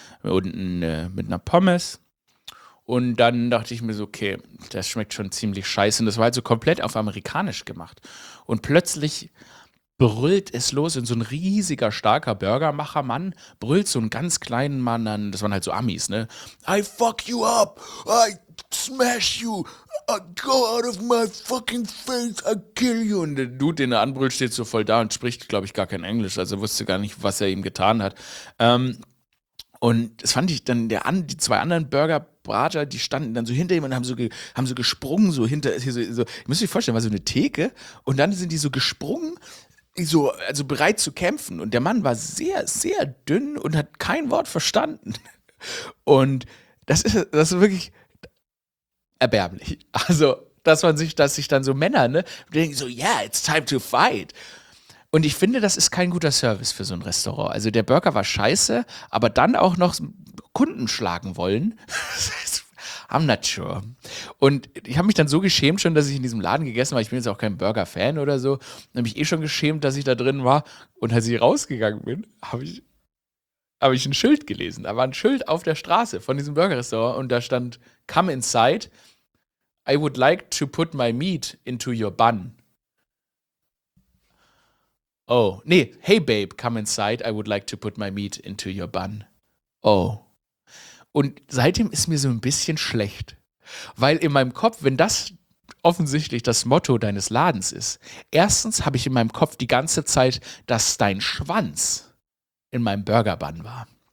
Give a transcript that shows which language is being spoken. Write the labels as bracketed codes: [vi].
[de] unten mit einer Pommes. Und dann dachte ich mir so, okay, das schmeckt schon ziemlich scheiße. Und das war halt so komplett auf amerikanisch gemacht. Und plötzlich brüllt es los und so ein riesiger, starker Burgermacher-Mann brüllt so einen ganz kleinen Mann an, das waren halt so Amis, ne? [en] I fuck you up! I smash you! I go out of my fucking face! I kill you! [de] Und der Dude, den er anbrüllt, steht so voll da und spricht, glaube ich, gar kein Englisch, also wusste gar nicht, was er ihm getan hat. Und das fand ich dann, die zwei anderen Burger-Brater, die standen dann so hinter ihm und haben so gesprungen, so hinter, ihr müsst euch vorstellen, war so eine Theke und dann sind die so gesprungen, so, also bereit zu kämpfen. Und der Mann war sehr, sehr dünn und hat kein Wort verstanden. Und das ist wirklich erbärmlich. Also, dass sich dann so Männer, ne, denken so, [en] yeah, it's time to fight. [de] Und ich finde, das ist kein guter Service für so ein Restaurant. Also, der Burger war scheiße, aber dann auch noch Kunden schlagen wollen. [en] I'm not sure. [de] Und ich habe mich dann so geschämt schon, dass ich in diesem Laden gegessen habe. Ich bin jetzt auch kein Burger-Fan oder so. Dann habe ich eh schon geschämt, dass ich da drin war. Und als ich rausgegangen bin, habe ich ein Schild gelesen. Da war ein Schild auf der Straße von diesem Burger-Restaurant. Und da stand, [en] come inside. I would like to put my meat into your bun. Oh, nee. Hey, babe, come inside. I would like to put my meat into your bun. Oh. [de] Und seitdem ist mir so ein bisschen schlecht, weil in meinem Kopf, wenn das offensichtlich das Motto deines Ladens ist, erstens habe ich in meinem Kopf die ganze Zeit, dass dein Schwanz in meinem Burger-Bun war.